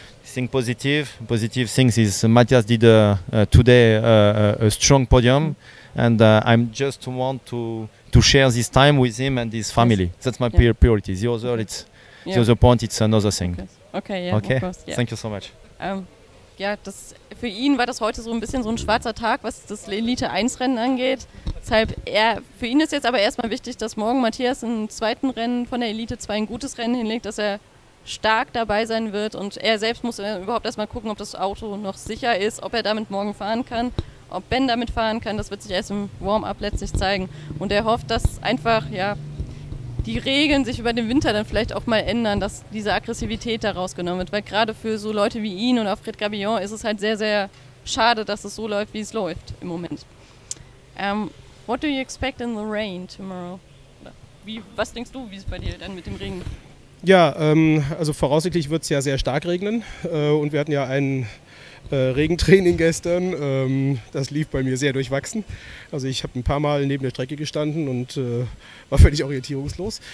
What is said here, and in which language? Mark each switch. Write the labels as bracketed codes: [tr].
[en] Think positive things is Matthias did today a strong podium, and I'm just want to share this time with him and his family. Yes. That's my priority. The other, it's the other point, it's another thing. Okay, yeah, okay. Of course, yeah. Thank you so much. [de] Ja, das für ihn war das heute so ein bisschen so ein schwarzer Tag, was das Elite 1 Rennen angeht. Deshalb für ihn ist jetzt aber erstmal wichtig, dass morgen Matthias im zweiten Rennen von der Elite 2 ein gutes Rennen hinlegt, dass er stark dabei sein wird, und er selbst muss überhaupt erstmal gucken, ob das Auto noch sicher ist, ob er damit morgen fahren kann, ob Ben damit fahren kann, das wird sich erst im Warm-up letztlich zeigen, und er hofft, dass einfach die Regeln sich über den Winter dann vielleicht auch mal ändern, dass diese Aggressivität da rausgenommen wird, weil gerade für so Leute wie ihn und Alfred Gabillon ist es halt sehr, sehr schade, dass es so läuft, wie es läuft im Moment. [en] What do you expect in the rain tomorrow? [de] Was denkst du, wie es bei dir dann mit dem Regen? Ja, also voraussichtlich wird es ja sehr stark regnen, und wir hatten ja ein Regentraining gestern, das lief bei mir sehr durchwachsen. Also ich habe ein paar Mal neben der Strecke gestanden und war völlig orientierungslos.